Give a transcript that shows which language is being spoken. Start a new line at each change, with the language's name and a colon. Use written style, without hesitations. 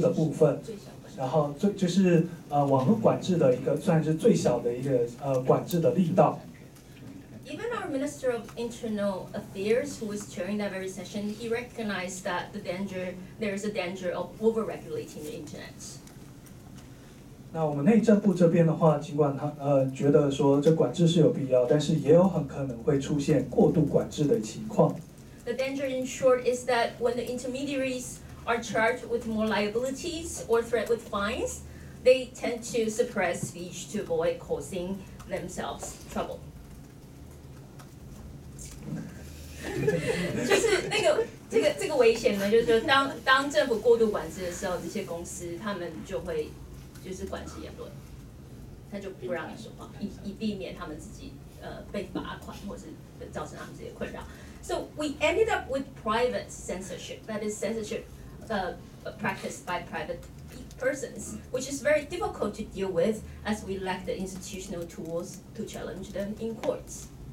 Chinese: 的部分，然后就是网络管制的一个算是最小的一个管制的力道。
English: Even our Minister of Internal Affairs, who was chairing that very session, he recognized that there is a danger of over-regulating the internet.
Chinese: 那我们内政部这边的话，尽管他觉得说这管制是有必要，但是也有很可能会出现过度管制的情况。
English: The danger, in short, is that when the intermediaries are charged with more liabilities or threat with fines, they tend to suppress speech to avoid causing themselves trouble.
Chinese: 就是那个这个危险呢，就是说当政府过度管制的时候，这些公司他们就会就是管制言论，他就不让你说话，以避免他们自己被罚款或是造成他们自己的困扰。
English: So we ended up with private censorship, that is censorship practiced by private persons, which is very difficult to deal with as we lack the institutional tools to challenge them in courts.